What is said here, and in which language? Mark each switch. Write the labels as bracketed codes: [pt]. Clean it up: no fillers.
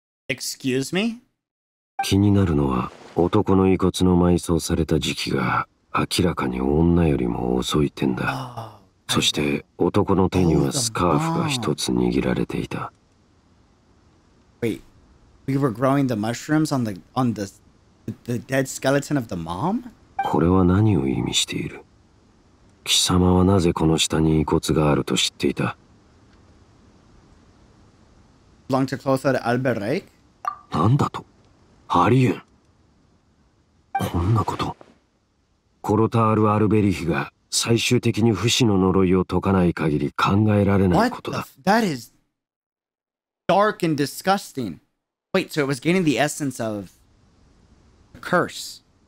[en] Excuse me? [ja] 気になるのは、男の遺骨の埋葬された時期が明らかに女よりも遅い点だ。そして男の手にはスカーフが一つ握られていた。 [en] Wait, we were growing the mushrooms on the dead skeleton of the mom? [ja] これは何を意味している?貴様はなぜこの下に遺骨があると知っていた? [en] Belong to Clotho de Alberic? [ja] なんだと?アリエン。こんなこと。コロタール・アルベリヒが最終的に不死の呪いを解かない限り考えられないことだ。 [en] That is dark and disgusting. Wait, so it was gaining the essence of a curse.